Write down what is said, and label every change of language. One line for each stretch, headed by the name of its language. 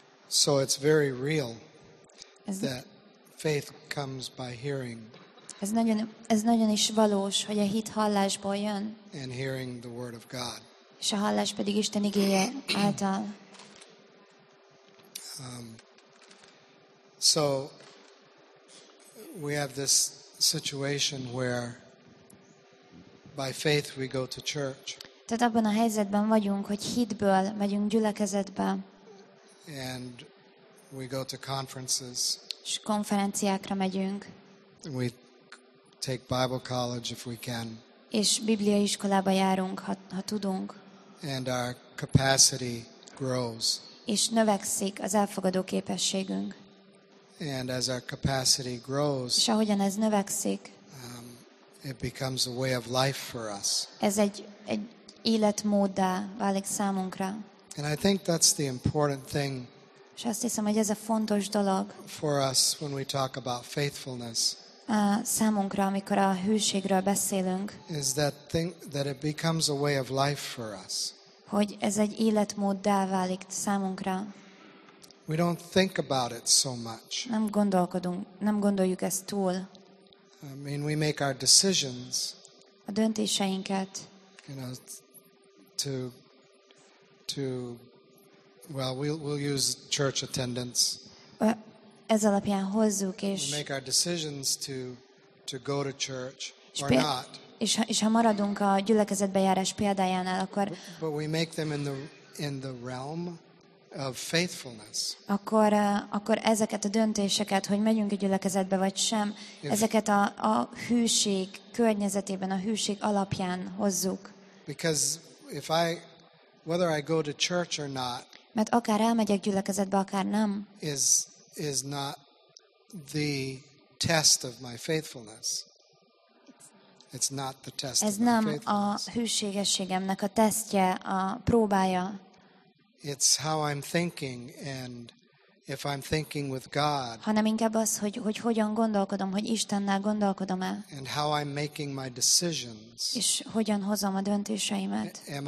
English: So it's very real. Isn't that faith comes by hearing.
Hungarian: Ez nagyon is valós, hogy a hit hallásból jön.
English: And hearing the word of God.
Hungarian: És a hallás pedig Isten igéje által.
English: So we have this situation where by faith we go to church.
Hungarian: Tehát abban a helyzetben vagyunk, hogy hitből megyünk gyülekezetbe.
English: And we go to conferences.
Hungarian: És konferenciákra megyünk.
English: We take Bible college if we can.
Hungarian: És Biblia iskolába járunk, ha tudunk.
English: And our capacity grows.
Hungarian: És növekszik az elfogadó képességünk.
English: And as our capacity grows.
Hungarian: És ahogyan ez növekszik.
English: It becomes a way of life for us.
Hungarian: Ez egy életmóddá válik számunkra.
English: And I think that's the important thing.
Hungarian: És azt hiszem, hogy ez a fontos dolog.
English: For us, when we talk about faithfulness,
Hungarian: számunkra, amikor a hűségről beszélünk,
English: is that thing that it becomes a way of life for us.
Hungarian: Hogy ez egy életmóddá válik számunkra.
English: We don't think about it so much.
Hungarian: Nem gondoljuk ezt túl.
English: I mean, we make our decisions.
Hungarian: A döntéseinket.
English: You know, to well, we'll use church attendance.
Hungarian: Ez alapján hozzuk és.
English: We make our decisions to go to church or not.
Hungarian: És ha maradunk a gyülekezetbe járás példájánál, akkor.
English: But we make them in the realm of faithfulness.
Hungarian: Akkor ezeket a döntéseket, hogy megyünk a gyülekezetbe vagy sem, ezeket a hűség környezetében, a hűség alapján hozzuk.
English: Because if I, whether I go to church or not.
Hungarian: Mert akár elmegyek gyülekezetbe, akár nem.
English: Is not the test of my faithfulness. It's not the test.
Hungarian: Ez nem a hűségességemnek a tesztje, a próbája.
English: It's how I'm thinking and if I'm thinking with God.
Hungarian: Hanem inkább az, hogy hogyan gondolkodom, hogy Istennel gondolkodom-e.
English: And how I'm making my decisions.
Hungarian: És hogyan hozom a döntéseimet.